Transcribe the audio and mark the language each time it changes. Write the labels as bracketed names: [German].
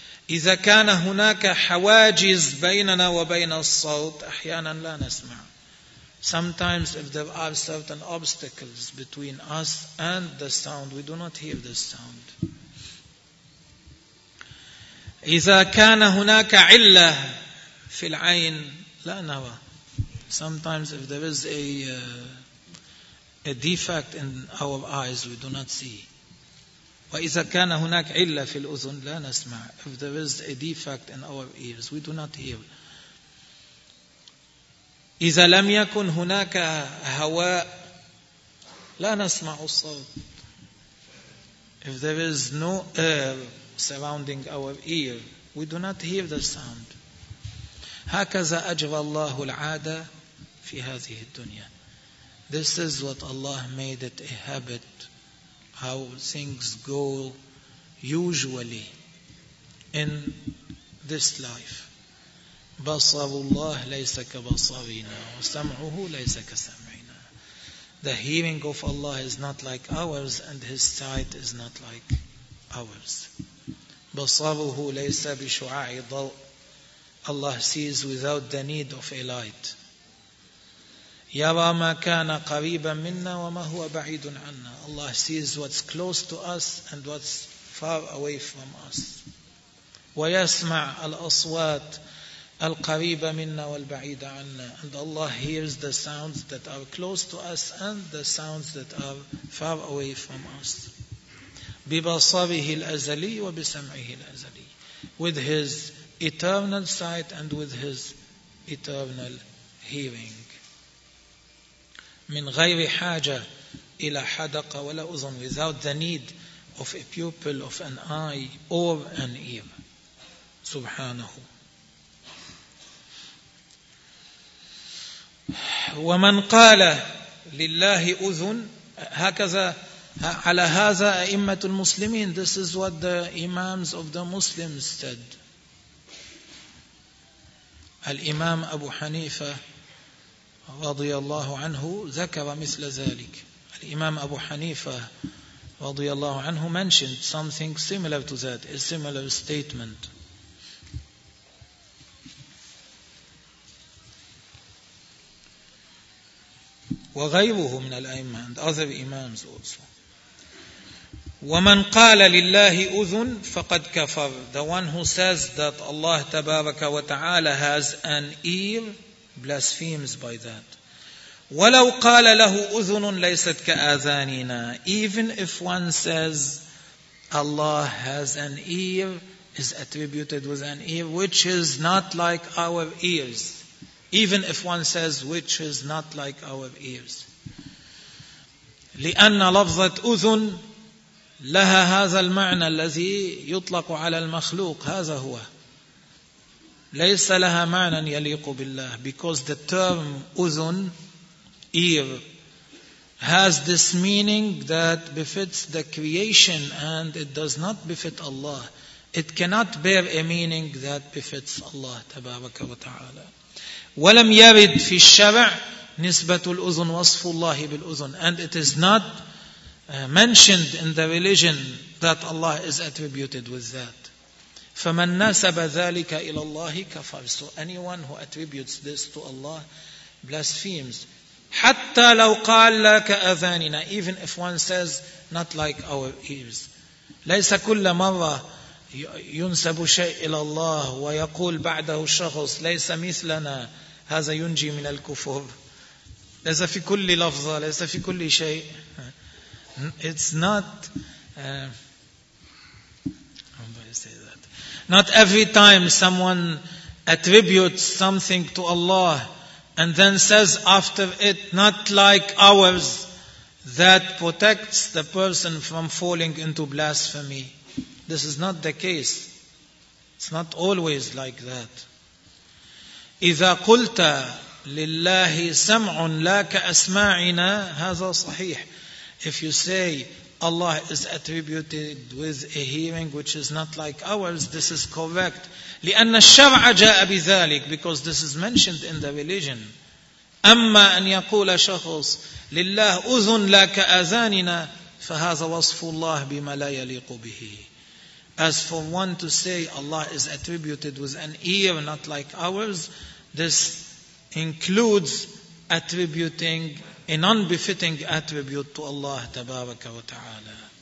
[Arabic] إذا كان هناك حواجز بيننا وبين الصوت أحيانا لا نسمع. [English] Sometimes if there are certain obstacles between us and the sound, we do not hear the sound. [Arabic] إذا كان هناك علة في العين لا نرى. [English] Sometimes if there is a defect in our eyes, we do not see. [Arabic] وإذا كان هناك علة في الأذن لا نسمع. [English] If there is a defect in our ears, we do not hear. [Arabic] إذا لم يكن هناك هواء لا نسمع الصوت. [English] If there is no air surrounding our ear, we do not hear the sound. [Arabic] هكذا أجرى الله العادة في هذه الدنيا. [English] This is what Allah made it a habit, how things go usually in this life. [Arabic] بصر الله ليس كبصرنا وسمعه ليس كسمعنا. [English] The hearing of Allah is not like ours and His sight is not like ours. [Arabic] بصره ليس بشعاع ضوء. [English] Allah sees without the need of a light. [Arabic] يرى ما كان قريبا منا وما هو بعيد عنا. [English] Allah sees what's close to us and what's far away from us. [Arabic] ويسمع الأصوات القريبة منا والبعيدة عنا. [English] And Allah hears the sounds that are close to us and the sounds that are far away from us. [Arabic] ببصره الأزلي وبسمعه الأزلي. [English] With His eternal sight and with His eternal hearing. [Arabic] من غير حاجة إلى حدقة ولا أذن. [English] Without the need of a pupil of an eye or an ear. [Arabic] سبحانه. ومن قال لله أذن هكذا على هذا أئمة المسلمين. [English] This is what the imams of the Muslims said. [Arabic] الإمام أبو حنيفة رضي الله عنه ذكر مثل ذلك. [English] الإمام أبو حنيفة [Arabic] رضي الله عنه [English] mentioned something similar to that, a similar statement. [Arabic] وغيره من الأئمة [English] and other imams also. [Arabic] ومن قال لله أذن فقد كفر. [English] The one who says that Allah [Arabic] تبارك وتعالى [English] has an ear blasphemes by that. [Arabic] ولو قال له أذن ليست كآذاننا. [English] Even if one says Allah has an ear, is attributed with an ear which is not like our ears. Even if one says, which is not like our ears. [Arabic] لِأَنَّ لَفْظَةُ أُذُنْ لَهَا هَذَا الْمَعْنَى الَّذِي يُطْلَقُ عَلَى الْمَخْلُوقِ. هَذَا هُوَ. لَيْسَ لَهَا مَعْنًا يَلِيقُ بِاللَّهِ. [English] Because the term أُذُنْ, ear, has this meaning that befits the creation and it does not befit Allah. It cannot bear a meaning that befits Allah [Arabic] تبارك وتعالى. ولم يرد في الشرع نسبة الأذن وصف الله بالأذن. [English] And it is not mentioned in the religion that Allah is attributed with that. [Arabic] فمن نسب ذلك إلى الله كفر. [English] So anyone who attributes this to Allah blasphemes. [Arabic] حتى لو قال لك أذاننا. [English] Even if one says not like our ears. [Arabic] ليس كل مرة ينسب شيء إلى الله ويقول بعده شخص ليس مثلنا هذا ينجي من الكفر. ليس في كل لفظة, ليس في كل شيء. [English] It's not how do I say that? Not every time someone attributes something to Allah and then says after it not like ours, that protects the person from falling into blasphemy. This is not the case. It's not always like that. [Arabic] إذا قلت لله سمع لا كأسماعنا هذا صحيح. [English] If you say Allah is attributed with a hearing which is not like ours, this is correct. [Arabic] لأن الشرع جاء بذلك. [English] Because this is mentioned in the religion. [Arabic] أما أن يقول شخص لله أذن لا كأذاننا فهذا وصف الله بما لا يليق به. [English] As for one to say Allah is attributed with an ear not like ours, this includes attributing a non-befitting attribute to Allah Tabaraka wa Ta'ala.